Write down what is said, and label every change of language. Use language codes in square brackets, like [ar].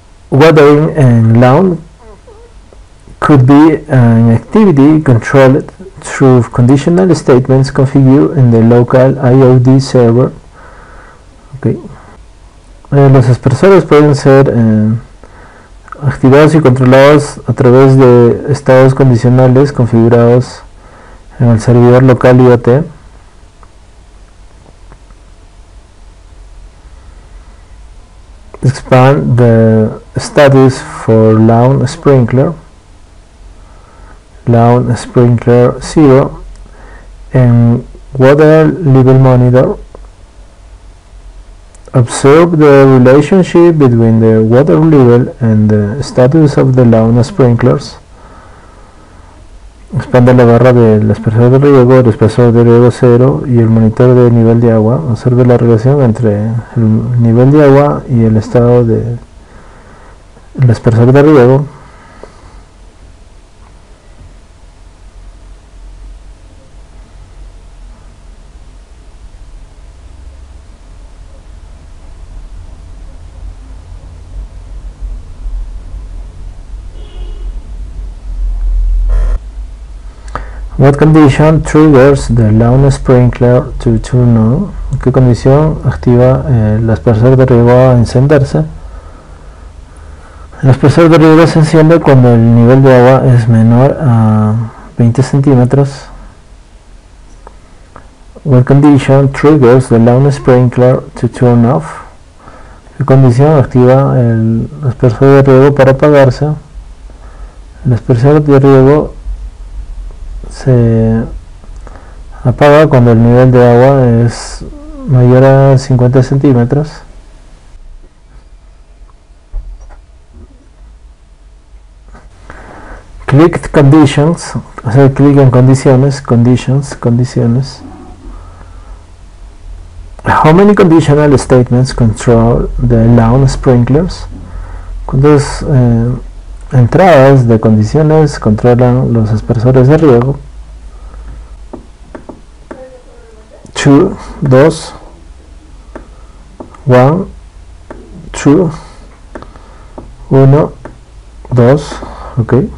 [en] Watering and lawn could be an activity controlled through conditional statements configured in the local IoD server. Okay. [es] Los aspersores pueden ser activados y controlados a través de estados condicionales configurados en el servidor local IoT. [en] Expand the status for lawn sprinkler. Lawn sprinkler 0 and water level monitor. Observe the relationship between the water level and the status of the lawn sprinklers. [es] Expande la barra del espesor de riego, el espesor de riego 0 y el monitor de nivel de agua. Observe la relación entre el nivel de agua y el estado del espesor de riego. [en] What condition triggers the lawn sprinkler to turn on? [es] ¿Qué condición activa el aspersor de riego a encenderse? El aspersor de riego se enciende cuando el nivel de agua es menor a 20 centímetros. [en] What condition triggers the lawn sprinkler to turn off? [es] ¿Qué condición activa el aspersor de riego para apagarse? El aspersor de riego se apaga cuando el nivel de agua es mayor a 50 centímetros. [en] Click conditions, [es] hacer clic en condiciones, conditions, condiciones. [en] How many conditional statements control the lawn sprinklers? [es] ¿Cuántas entradas de condiciones controlan los aspersores de riego? [en] 2, 1, 2, 1, 2, ok.